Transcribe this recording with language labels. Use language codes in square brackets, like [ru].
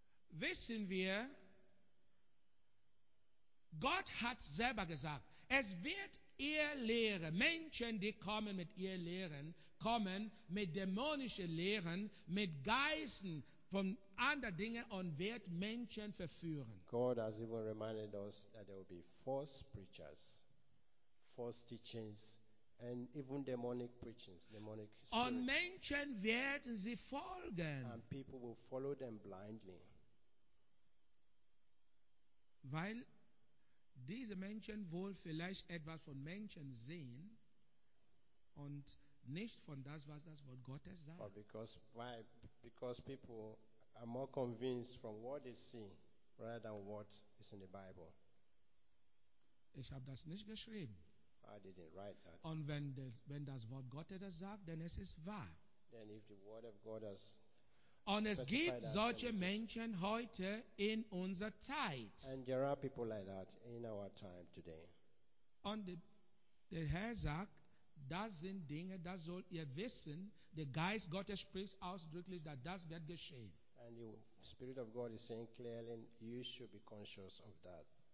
[de] Wissen wir, Gott hat selber gesagt, es wird ihr Lehre, Menschen, die kommen mit ihr Lehren, kommen mit dämonischen Lehren, mit Geistern von anderen Dingen und wird Menschen verführen. [en] God has even reminded us that there will be false preachers, false teachings, and even demonic preachings, demonic spirits. [de] Und Menschen werden sie folgen. [en] And people will follow them blindly. [de] Weil diese Menschen wohl vielleicht etwas von Menschen sehen und nicht von das Wort Gottes sagt. [en] But because people are more convinced from what they see rather than what is in the Bible. [de] Ich habe das nicht geschrieben. [en] I didn't write that. [de] Und wenn das Wort Gottes das sagt, dann es ist wahr. [en] Then if the word of God has [de] Und es gibt solche Menschen heute in unserer Zeit. [en] And there are people like that in our time today. [de] Und der Herr sagt, das sind Dinge, das soll ihr wissen. Der Geist Gottes spricht ausdrücklich, dass das wird geschehen. [en] And the Spirit of God is saying clearly, you should be conscious of that.